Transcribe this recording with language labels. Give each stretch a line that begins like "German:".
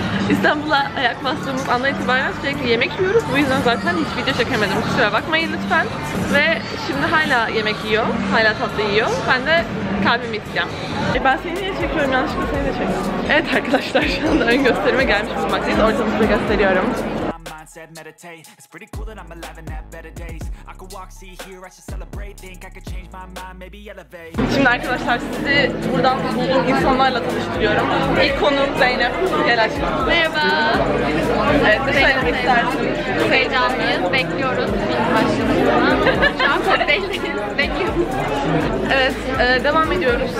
Turkish: İstanbul'a ayak bastığımız andan itibaren sürekli yemek yiyoruz. Bu yüzden zaten hiç video çekemedim. Kusura bakmayın lütfen. Ve şimdi hala yemek yiyor. Hala tatlı yiyor. Ben de kalbimi içeceğim. Ben seni niye çekiyorum? Yanlışlıkla seni de çekiyorum. Evet arkadaşlar, şu anda ön gösterime gelmiş bulunmaktayız. Ortamızı da gösteriyorum.
English: Meditate. It's pretty cool that I'm alive and have better days. I could walk, see, hear, I should celebrate. Think I could change my mind, maybe elevate.
Turkish: Şimdi arkadaşlar, sizi buradan bulduğum insanlarla tanıştırıyorum. İlk konuğum Zeynep. Gel aşkım. Merhaba. Evet, ne söylemek istersin? Çok heyecanlıyız. Bekliyoruz. İlk başlamışına. Şu an çok belliyiz. Bekliyoruz. Evet, devam ediyoruz.